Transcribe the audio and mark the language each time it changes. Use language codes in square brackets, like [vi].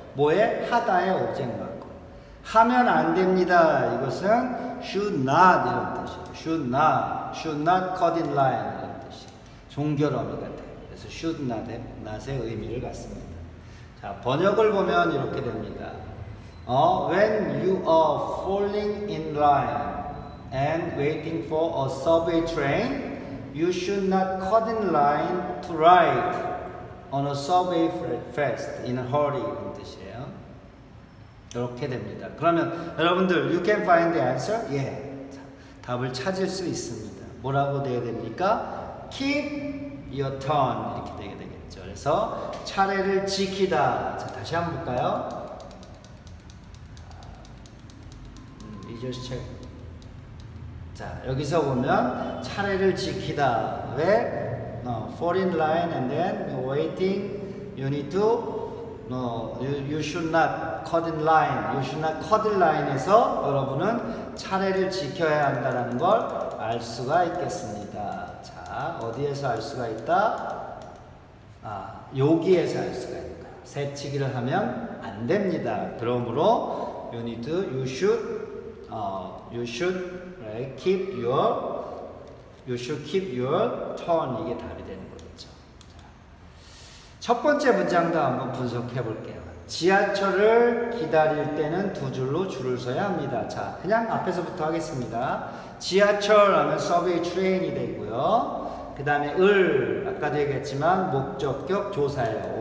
[ko] 뭐에? 하다의 오브젝트 마커. 하면 안 됩니다. 이것은 should not 이런 뜻이에요. [en] should not cut in line [ko] 이런 뜻이에요. 종결어미 같아요. 그래서 should not, not의 의미를 갖습니다. 자, 번역을 보면 이렇게 됩니다. [en] When you are falling in line and waiting for a subway train, you should not cut in line to ride on a subway fast in a hurry [ko] 이런 뜻이에요. 이렇게 됩니다. 그러면 여러분들 [en] you can find the answer? [ko] 예. 자, 답을 찾을 수 있습니다. 뭐라고 돼야 됩니까? [en] keep your turn [ko] 이렇게 되게 되겠죠. 그래서 차례를 지키다. 자, 다시 한번 볼까요? [en] We just check. [ko] 자, 여기서 보면 차례를 지키다. [en] 왜? fall in line and then waiting. You need to, you should not cut in line. You should not cut in line [ko] 에서 여러분은 차례를 지켜야 한다는 걸 알 수가 있겠습니다. 자, 어디에서 알 수가 있다? 아, 여기에서 알 수가 있다. 새치기를 하면 안 됩니다. [en] 그러므로 you need to, you should right, keep your You should keep your turn. [ko] 이게 답이 되는 거겠죠. 첫 번째 문장도 한번 분석해 볼게요. 지하철을 기다릴 때는 두 줄로 줄을 서야 합니다. 자, 그냥 앞에서부터 하겠습니다. 지하철 하면 subway train이 되고요. 그 다음에 을, 아까도 얘기했지만 목적격 조사예요.